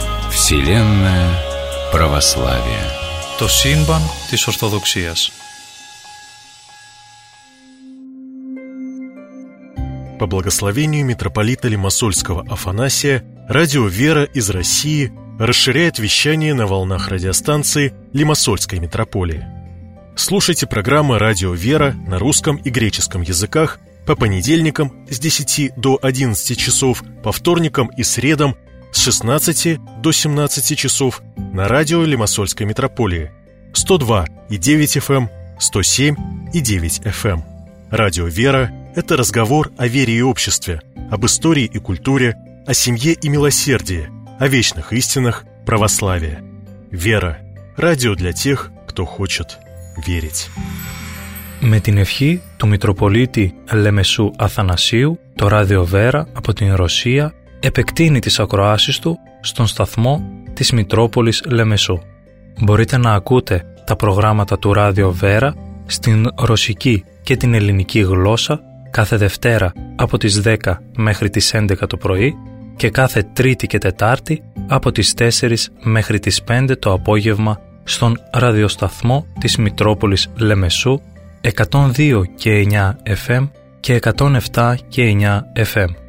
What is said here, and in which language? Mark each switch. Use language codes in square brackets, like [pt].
[ru] Вселенная православие. [el] Το σύμπαν της Ορθοδοξίας. [ru] По благословению митрополита Лимассольского Афанасия, радио «Вера» из России расширяет вещание на волнах радиостанции Лимассольской митрополии. Слушайте программы «Радио «Вера» на русском и греческом языках по понедельникам с 10 до 11 часов, по вторникам и средам с 16 до 17 часов на радио Лимассольской митрополии 102.9 FM, 107.9 FM. Радио «Вера» – это разговор о вере и обществе, об истории и культуре, о семье и милосердии, о вечных истинах православия. «Вера» – радио для тех, кто хочет верить. [el] Με την ευχή του Μητροπολίτη Λεμεσού Αθανασίου, το Ράδιο Βέρα από την Ρωσία επεκτείνει τις ακροάσεις του στον σταθμό της Μητρόπολης Λεμεσού. Μπορείτε να ακούτε τα προγράμματα του Ράδιο Βέρα στην ρωσική και την ελληνική γλώσσα κάθε Δευτέρα από τις 10 μέχρι τις 11 το πρωί και κάθε Τρίτη και Τετάρτη από τις 4 μέχρι τις 5 το απόγευμα στον ραδιοσταθμό της Μητρόπολης Λεμεσού 102 και 9 FM και 107 και 9 FM.